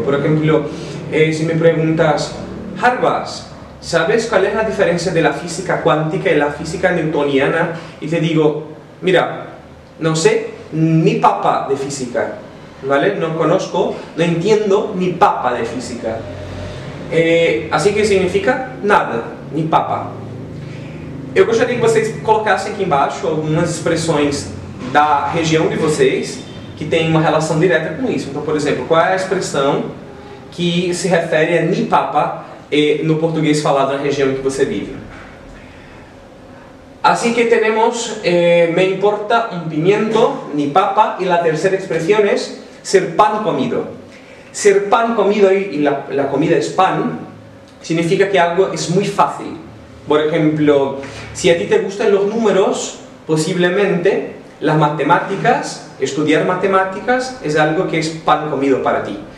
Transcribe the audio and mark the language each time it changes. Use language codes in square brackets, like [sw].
[es] Por ejemplo, si me preguntas, Harbas, ¿sabes cuál es la diferencia de la física cuántica y la física newtoniana? Y te digo, mira, no sé ni papa de física, ¿vale? No conozco, no entiendo ni papa de física. Así que significa nada, ni papa. [pt] Eu gostaria que vocês colocassem aqui embaixo algumas expressões da região de vocês que tem uma relação direta com isso. Então, por exemplo, qual é a expressão que se refere a ni papa no português falado na região que você vive? [es] Así que tenemos me importa un pimiento, ni papa, y la tercera expresión es ser pan comido. Ser pan comido, y la comida es pan, significa que algo es muy fácil. Por ejemplo, si a ti te gustan los números, posiblemente las matemáticas, estudiar matemáticas, es algo que es pan comido para ti.